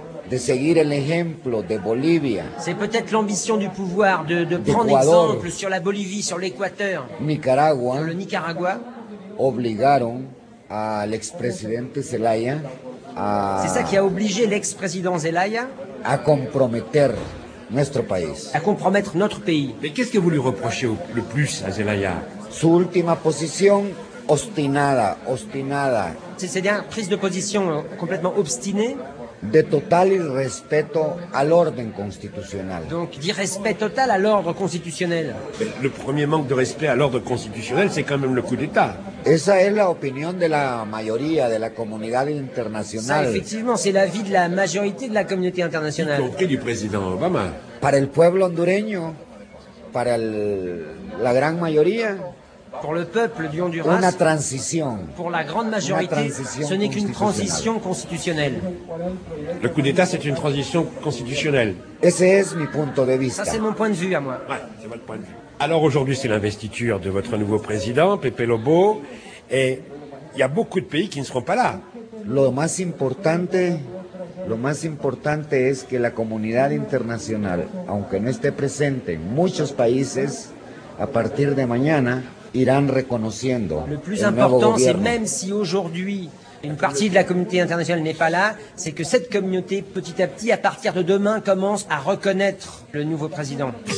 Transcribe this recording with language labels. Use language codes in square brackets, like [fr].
[es] De seguir el ejemplo de Bolivia. [fr] C'est peut-être l'ambition du pouvoir de prendre Ecuador, exemple sur la Bolivie, sur l'Équateur. [es] Nicaragua. [fr] Le Nicaragua. [es] Obligaron a l'ex-presidente Zelaya a. [fr] C'est ça qui a obligé l'ex-président Zelaya. [es] A comprometer nuestro país. [fr] À compromettre notre pays. Mais qu'est-ce que vous lui reprochez le plus à Zelaya? [es] Su última posición obstinada. [fr] C'est une prise de position complètement obstinée. [es] De total irrespeto al orden constitucional. [fr] Donc, d'irrespect total à l'ordre constitutionnel. Mais le premier manque de respect à l'ordre constitutionnel, c'est quand même le coup d'État. [es] Esa es la opinión de la mayoría de la comunidad internacional. [fr] Ça, effectivement, c'est l'avis de la majorité de la communauté internationale. Y compris du président Obama. [es] Para el pueblo hondureño, para la gran mayoría. [fr] Pour le peuple du Honduras. [es] Una transición. [fr] Pour la grande majorité, ce n'est qu'une transition constitutionnelle. Le coup d'État, c'est une transition constitutionnelle. [es] Ese es mi punto de vista. [fr] Ça, c'est mon point de vue à moi. Ouais, c'est votre point de vue. Alors aujourd'hui, c'est l'investiture de votre nouveau président, Pepe Lobo, et il y a beaucoup de pays qui ne seront pas là. [es] Lo más importante es que la comunidad internacional, aunque no esté presente en muchos países, a partir de mañana. [fr] Le plus important, c'est même si aujourd'hui une partie de la communauté internationale n'est pas là, c'est que cette communauté, petit à petit, à partir de demain, commence à reconnaître le nouveau président.